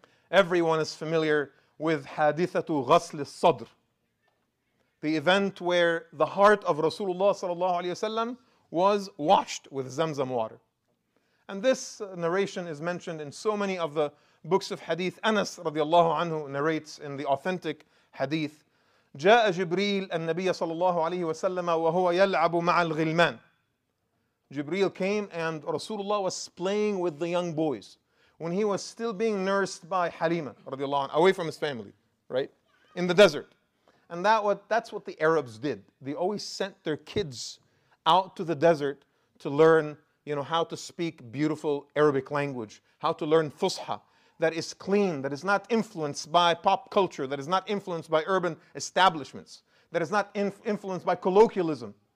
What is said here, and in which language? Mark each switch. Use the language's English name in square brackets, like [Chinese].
[English] Everyone is familiar with hadithatu ghasl al-sadr, the event where the heart of Rasulullah sallallahu alayhi wasallam was washed with zamzam water. And this narration is mentioned in so many of the books of hadith. Anas radiallahu anhu narrates in the authentic hadith, [Arabic] جَاءَ جِبْرِيلَ النَّبِيَّ صَلَى اللَّهُ عَلَيْهِ وَسَلَّمَ وَهُوَ يَلْعَبُ مَعَ الْغِلْمَانِ. [English] Jibreel came and Rasulullah was playing with the young boys when he was still being nursed by Halima radiallahu anhu, away from his family, right, in the desert. And that's what the Arabs did. They always sent their kids out to the desert to learn, you know, how to speak beautiful Arabic language, how to learn fusha, that is clean, that is not influenced by pop culture, that is not influenced by urban establishments, that is not influenced by colloquialism.